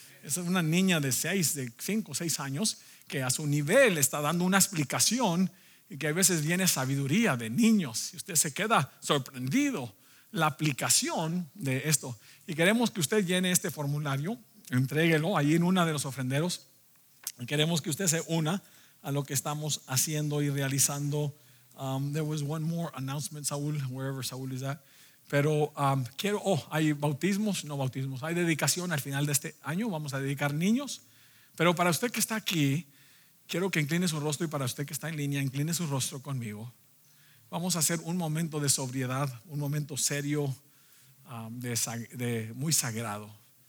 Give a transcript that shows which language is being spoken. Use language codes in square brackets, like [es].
[es] Es una niña de 5 o 6 años que a su nivel está dando una explicación, y que a veces viene sabiduría de niños y usted se queda sorprendido la aplicación de esto. Y queremos que usted llene este formulario, entréguelo ahí en una de los ofrenderos, y queremos que usted se una a lo que estamos haciendo y realizando. [en] There was one more announcement, Saúl, wherever Saúl is at. [es] Pero quiero, hay bautismos, no bautismos, hay dedicación al final de este año, vamos a dedicar niños. Pero para usted que está aquí, quiero que incline su rostro, y para usted que está en línea, incline su rostro conmigo. Vamos a hacer un momento de sobriedad, un momento serio, de muy sagrado.